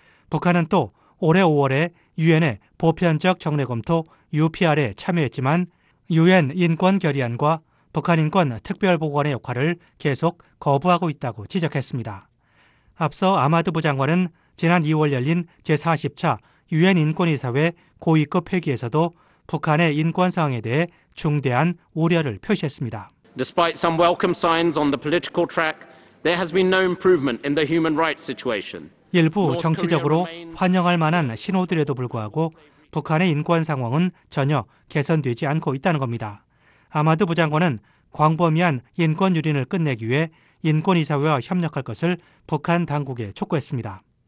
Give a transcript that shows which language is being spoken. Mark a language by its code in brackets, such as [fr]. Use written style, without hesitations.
[ko] 북한은 또 올해 5월에 유엔의 보편적 정례검토 UPR에 참여했지만 유엔 인권결의안과 북한인권특별보고관의 역할을 계속 거부하고 있다고 지적했습니다. 앞서 아마드 부장관은 지난 2월 열린 제40차 유엔인권이사회 고위급 회기에서도 북한의 인권상황에 대해 중대한 우려를 표시했습니다. [en] Despite some welcome signs on the political track, there has been no improvement in the human rights situation. [ko] 일부 정치적으로 환영할 만한 신호들에도 불구하고 북한의 인권 상황은 전혀 개선되지 않고 있다는 겁니다. 아마드 부장관은 광범위한 인권 유린을 끝내기 위해 인권이사회와 협력할 것을 북한 당국에 촉구했습니다.